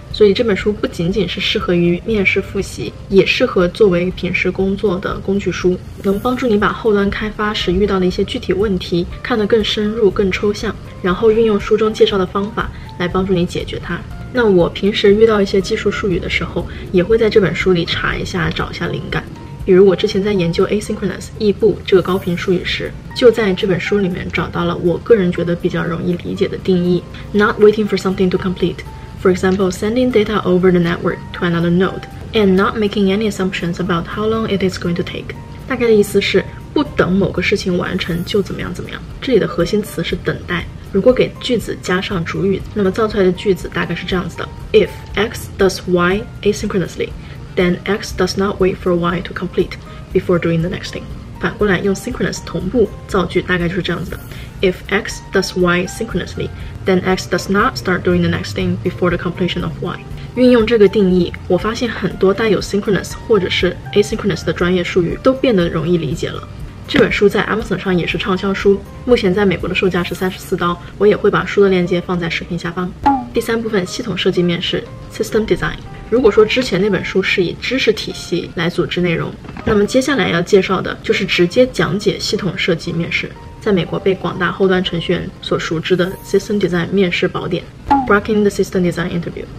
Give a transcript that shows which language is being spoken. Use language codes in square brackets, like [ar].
[zh] 所以这本书不仅仅是适合于面试复习，也适合作为平时工作的工具书，能帮助你把后端开发时遇到的一些具体问题看得更深入更抽象，然后运用书中介绍的方法来帮助你解决它。那我平时遇到一些技术术语的时候，也会在这本书里查一下找一下灵感，比如我之前在研究 asynchronous 异步这个高频术语时，就在这本书里面找到了我个人觉得比较容易理解的定义， [en] not waiting for something to complete。 For example, sending data over the network to another node and not making any assumptions about how long it is going to take. [zh] 大概的意思是不等某个事情完成就怎么样怎么样。这里的核心词是等待。如果给句子加上主语，那么造出来的句子大概是这样子的。 [en] If X does Y asynchronously, then X does not wait for Y to complete before doing the next thing. [zh] 反过来用 synchronous 同步造句大概就是这样子的。 [en] If X does Y synchronously, then X does not start doing the next thing before the completion of Y. [zh] 运用这个定义，我发现很多带有 synchronous 或者是 asynchronous 的专业术语都变得容易理解了。这本书在 Amazon 上也是畅销书，目前在美国的售价是$34，我也会把书的链接放在视频下方。第三部分，系统设计面试 System Design。如果说之前那本书是以知识体系来组织内容，那么接下来要介绍的就是直接讲解系统设计面试，在美国被广大后端程序员所熟知的 System Design 面试宝典 Breaking the System Design Interview。